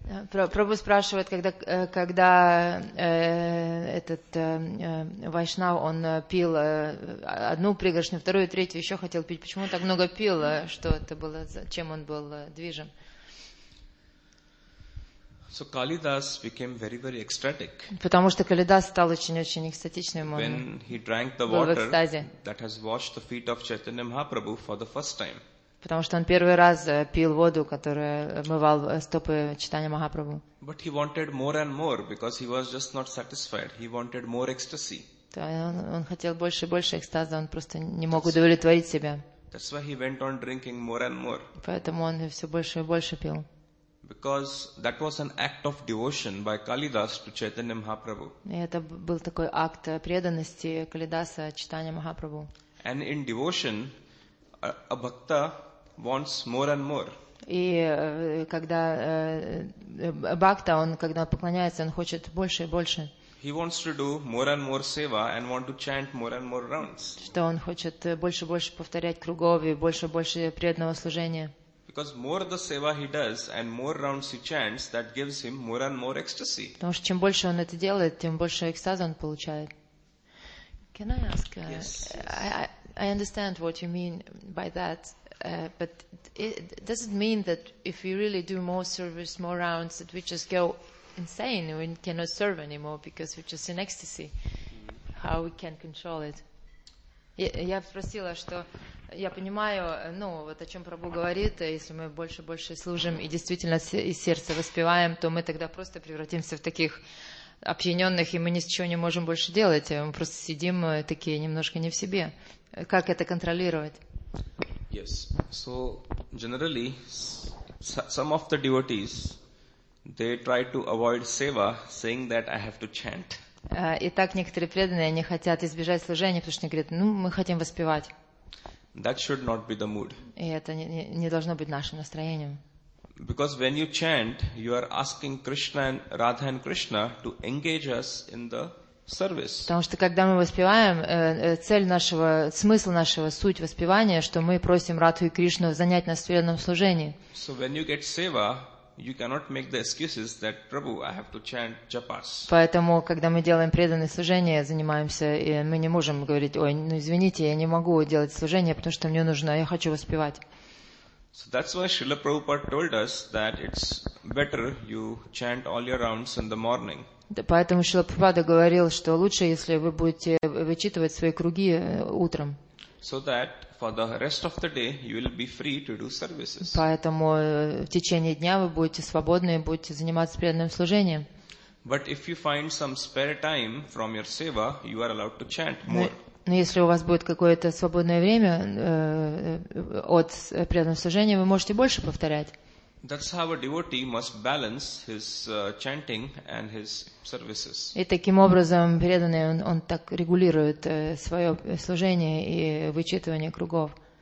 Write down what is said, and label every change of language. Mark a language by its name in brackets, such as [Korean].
[Russian] Прабху спрашивает, когда этот вайшнав, он пил одну пригоршню, вторую, третью, еще хотел пить. Почему он так много пил? Что это было? Чем он был движим? [English] So Kalidas became very, very ecstatic. [Russian] Потому что Калидас стал очень-очень экстатичным. [English] When he drank the water that has washed the feet of Chaitanya Mahaprabhu for the first time. [Russian] Потому что он первый раз пил воду, которая мывал стопы Чайтаньи Махапрабху. [English] But he wanted more and more because he was just not satisfied. He wanted more ecstasy. [Russian] Он хотел больше и больше экстаза. Он просто не мог удовлетворить себя. [English] That's why he went on drinking more and more. [Russian] Поэтому он все больше и больше пил. [English] Because that was an act of devotion by Kalidas to Chaitanya Mahaprabhu. [Russian] Это был такой акт преданности Калидаса Чайтанья Махапрабху. [English] And in devotion, a bhakta wants more and more. [Russian] И когда бхакта, он когда поклоняется, он хочет больше и больше. [English] He wants to do more and more seva and want to chant more and more rounds. [Russian] Что он хочет больше и больше повторять кругов и больше и больше преданного служения. [English] Because more the seva he does and more rounds he chants, that gives him more and more ecstasy. [Russian] Потому что чем больше он это делает, тем больше экстаза он получает. [English] Can I ask? Yes. I understand what you mean by that, but does it mean that if we really do more service, more rounds, that we just go insane, we cannot serve anymore because we're just in ecstasy? How we can control it? [Russian] Я спросила, что я понимаю, ну, вот о чем Прабху говорит, если мы больше и больше служим и действительно из сердца воспеваем, то мы тогда просто превратимся в таких опьяненных, и мы ничего не можем больше делать, мы просто сидим такие немножко не в себе. Как это контролировать? [English] Yes. So, generally, some of the devotees, they try to avoid seva, saying that I have to chant. [Russian] Итак, некоторые преданные, они хотят избежать служения, потому что они говорят, ну, мы хотим воспевать. [English] That should not be the mood. [Russian] И это не должно быть нашим настроением. [English] Because when you chant, you are asking Krishna and Radha and Krishna to engage us in the service. [Russian] Потому что когда мы воспеваем, цель нашего, смысл нашего, суть воспевания, что мы просим Радху и Кришну занять нас в преданном служении. [English] So when you get seva, you cannot make the excuses that Prabhu, I have to chant japas. [Russian] Поэтому, когда мы делаем преданное служение, занимаемся, и мы не можем говорить: "Ой, ну извините, я не могу делать служение, потому что мне нужно, я хочу воспевать". [English] So that's why Srila Prabhupada told us that it's better you chant all your rounds in the morning. [Russian] Поэтому Шрила Прабхупада говорил, что лучше, если вы будете вычитывать свои круги утром. [English] So that for the rest of the day you will be free to do services. [Russian] Поэтому в течение дня вы будете свободны и будете заниматься преданным служением. [English] But if you find some spare time from your seva, you are allowed to chant more. [Russian] Но если у вас будет какое-то свободное время от преданного служения, вы можете больше повторять. [English] That's how a devotee must balance his chanting and his services. [Russian] И таким образом преданный он так регулирует свое служение и вычитывание кругов.